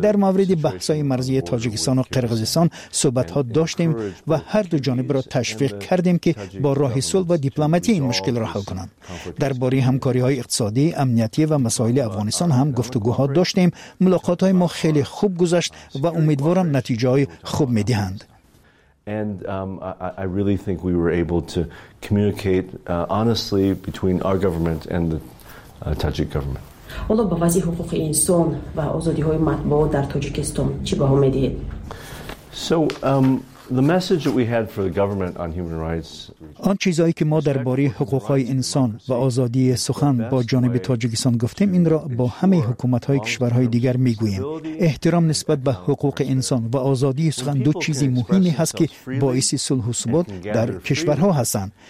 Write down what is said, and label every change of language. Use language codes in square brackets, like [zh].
[fa] در مورد بحث‌های مرزی تاجیکستان و قرغیزستان صحبت‌ها داشتیم و هر دو جانب را تشویق کردیم که با راه صلح و دیپلماتی این مشکل را حل کنند. درباره همکاری‌های اقتصادی، امنیتی و مسائل افغانستان هم گفتگوها داشتیم. ملاقات‌های ما خیلی خوب گذشت و امیدوارم نتایج خوب می‌دهند. [en] And I really think we were able to communicate honestly between our government and the Tajik government. [tg] Olo ba vazi huquq inson va azadi-hoye matbuot dar Tojikiston chi baho medihid? [en] So the message that we had for the government on human rights. [fa] آن چیزایی که ما درباره حقوق‌های انسان و آزادی سخن با جانب تاجیکستان گفتیم، این را با همه حکومت‌های کشورهای دیگر می‌گوییم. احترام نسبت به حقوق انسان و آزادی سخن دو چیزی مهمی هست که باعث صلح و ثبات در کشورها هستند.